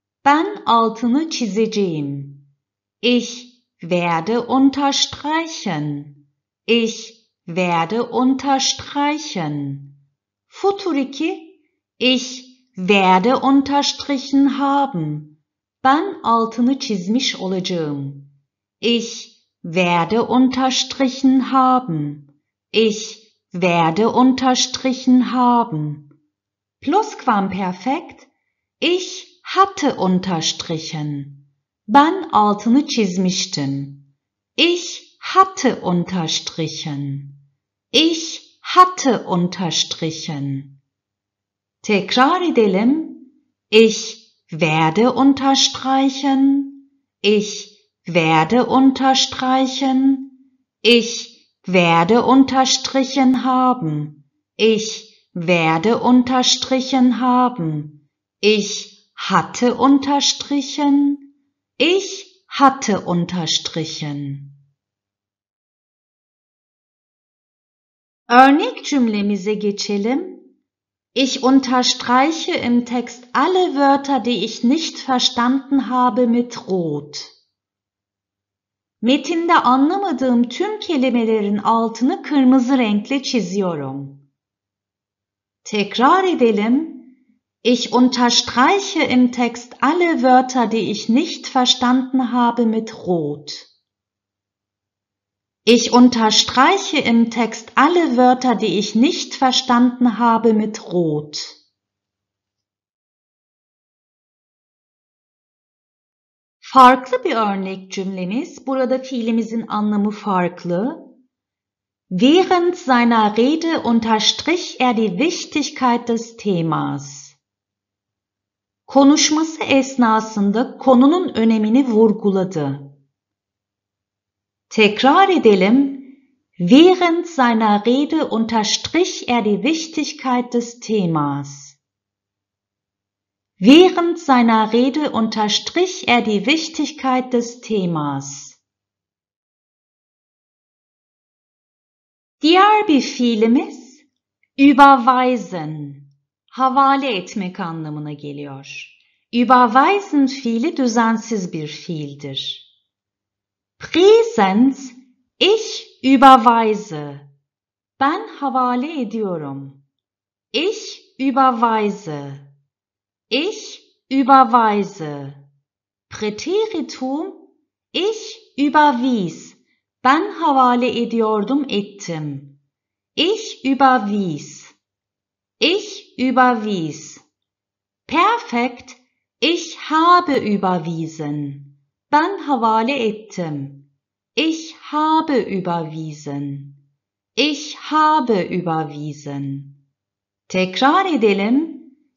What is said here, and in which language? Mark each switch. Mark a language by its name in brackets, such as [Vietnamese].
[Turkish] Ben altını çizeceğim. [German] Ich werde unterstreichen. Ich werde unterstreichen. Futur 2. Ich werde unterstrichen haben. [Turkish] Ben altını çizmiş olacağım. [German] Ich werde unterstrichen haben. Ich werde unterstrichen haben. Plusquamperfekt. Ich hatte unterstrichen. [Turkish] Ben altını çizmiştim. [German] Ich hatte unterstrichen. Ich hatte unterstrichen. [Turkish] Tekrar edelim. [German] Ich werde unterstreichen. Ich werde unterstreichen. Ich werde unterstrichen haben. Ich werde unterstrichen haben. Ich hatte unterstrichen. Ich hatte unterstrichen. [Turkish] Örnek cümlemize geçelim. [German] Ich unterstreiche im Text alle Wörter, die ich nicht verstanden habe, mit rot. [Turkish] Metinde anlamadığım tüm kelimelerin altını kırmızı renkle çiziyorum. Tekrar edelim. [German] Ich unterstreiche im Text alle Wörter, die ich nicht verstanden habe, mit rot. Ich unterstreiche im Text alle Wörter, die ich nicht verstanden habe, mit rot. [Turkish] Farklı bir örnek cümlemiz. Burada fiilimizin anlamı farklı. [German] Während seiner Rede unterstrich er die Wichtigkeit des Themas. [Turkish] Konuşması esnasında konunun önemini vurguladı. Tekrar edelim. [German] Während seiner Rede unterstrich er die Wichtigkeit des Themas. Während seiner Rede unterstrich er die Wichtigkeit des Themas. [Turkish] Diğer bir fiilimiz überweisen, havale etmek anlamına geliyor. Überweisen fiili düzensiz bir fiildir. [German] Präsens, ich überweise. [Turkish] Ben havale ediyorum. [German] Ich überweise. Ich überweise. Präteritum, ich überwies. [Turkish] Ben havale ediyordum, ettim. [German] Ich überwies. Ich überwies. Perfekt, ich habe überwiesen. [Turkish] Ben havale ettim. [German] Ich habe überwiesen. Ich habe überwiesen. [Turkish] Tekrar edelim.